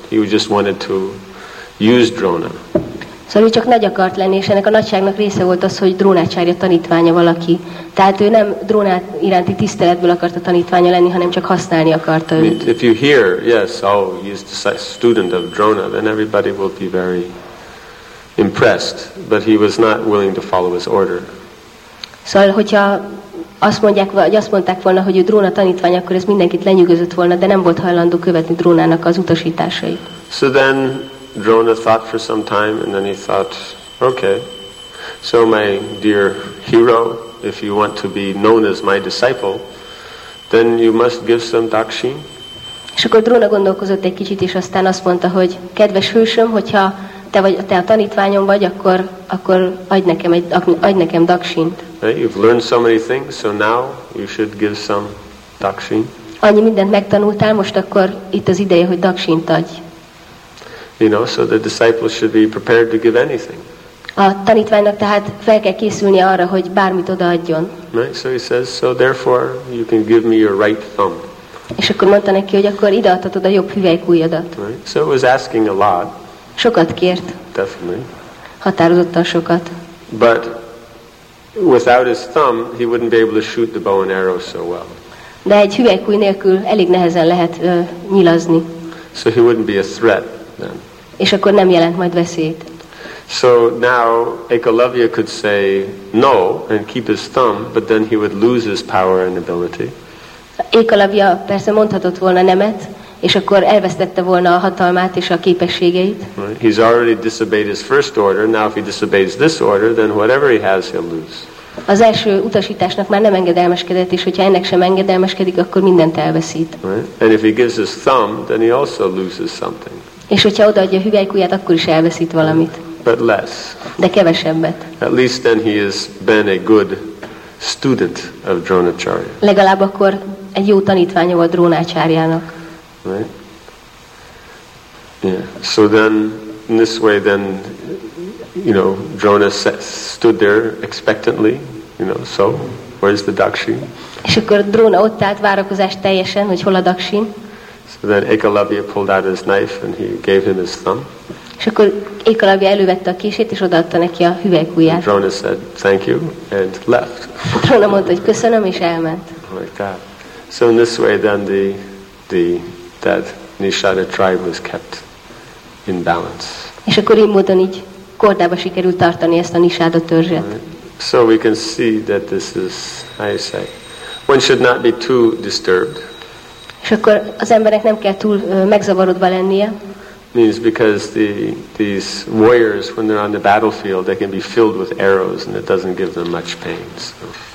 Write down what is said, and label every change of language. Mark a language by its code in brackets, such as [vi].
[en] He just wanted to use Drona. [hu] Szóval ő csak nagy akart lenni, és ennek a nagyságnak része volt az, hogy Drónácsárja tanítványa valaki. Tehát ő nem Drónát iránti tiszteletből akart a tanítványa lenni, hanem csak használni akarta őt. [en] If you hear, yes, oh, he's the student of Drona, then everybody will be very impressed. But he was not willing to follow his order. [hu] Szóval, hogyha azt mondják, vagy azt mondták volna, hogy ő Dróna tanítványa, akkor ez mindenkit lenyűgözött volna, de nem volt hajlandó követni Drónának az utasításait. [en] So then Drona thought for some time, and then he thought, okay, so my dear hero, if you want to be known as my disciple, then you must give some dakshin. [hu] És akkor Drona gondolkozott egy kicsit, és aztán azt mondta, hogy kedves hősöm, hogyha te vagy, te a tanítványom vagy, akkor adj nekem dakshint. [en] Right, you've learned so many things, so now you should give some dakshin. [hu] Annyi mindent megtanultál, most akkor itt az ideje, hogy dakshint adj. [en] You know, so the disciple should be prepared to give anything. [hu] A tanítványnak tehát fel kell készülni arra, hogy bármit odaadjon. [en] Right, so he says, so therefore you can give me your right thumb. [hu] És akkor mondta neki, hogy akkor ideadhatod a jobb hüvelykujjadat. [en] Right, so it was asking a lot. [hu] Sokat kért. [en] Definitely. [hu] Határozottan sokat. [en] But without his thumb, he wouldn't be able to shoot the bow and arrow so well. [hu] De egy hüvelykujj nélkül elég nehezen lehet nyilazni. [en] So he wouldn't be a threat then. [hu] És akkor nem jelent majd veszélyt. [en] So now Ekalavya could say no and keep his thumb, but then he would lose his power and ability. [hu] Ekalavya persze mondhatott volna nemet, és akkor elvesztette volna a hatalmát és a képességeit. [en] Right. He's already disobeyed his first order. Now if he disobeys this order, then whatever he has, he'll lose. [hu] Az első utasításnak már nem engedelmeskedett, és hogyha ennek sem engedelmeskedik, akkor mindent elveszít. [en] Right. And if he gives his thumb, then he also loses something. [hu] És hogyha odaadja a hüvelykujját, akkor is elveszít valamit. [en] But less. [hu] De kevesebbet. [en] At least then he has been a good student of Dronacharya. [hu] Legalább akkor egy jó tanítványa volt Drónácsárjának. [en] Right. Yeah. So then, in this way, then, you know, Drona stood there expectantly. You know, so where's the dakshin? [hu] És akkor Drona ott állt várakozás teljesen, hogy hol a dakshin. [en] So then Ekalavya pulled out his knife and he gave him his thumb. [hu] És akkor Ekalavya elővette a kését és odaadta neki a hüvelykujját. [en] Drona said thank you and left. [hu] Drona mondta, hogy köszönöm, és elment. [en] Like that. So in this way, then that Nishada tribe was kept in balance. [hu] És akkor így módon így kordába sikerült tartani ezt a Nishada törzset. [en] Right. So we can see that this is, how you say, one should not be too disturbed. [hu] És akkor az embernek nem kell túl megzavarodva lennie. [en] Means because these warriors, when they're on the battlefield, they can be filled with arrows and it doesn't give them much pain. So.